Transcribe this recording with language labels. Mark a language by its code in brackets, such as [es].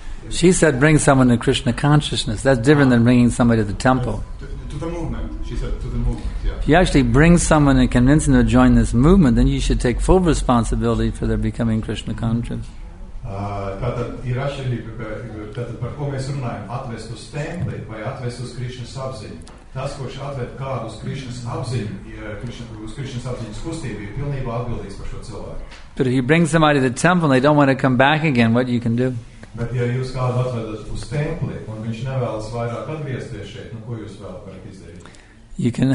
[en] She said bring someone to Krishna consciousness. That's different than bringing somebody to the temple. To the movement, she said, to the movement, yeah. If you actually bring someone and convince them to join this movement, then you should take full responsibility for their becoming Krishna conscious. [lv] Tātad ir atšķirība, tātad par ko mēs runājam, atvest uz templi vai atvest uz Krišnas apziņu. Tas, kurš atved kādu uz Krišnas apziņu, uz Krišnas apziņas kustību, ir pilnībā atbildīgs par šo cilvēku. [en] But if you bring somebody to the temple and they don't want to come back again, what you can do? [lv] Bet ja jūs kādu atvedat uz templi un viņš nevēlas vairāk atgriezties šeit, nu ko jūs vēl varat izdarīt?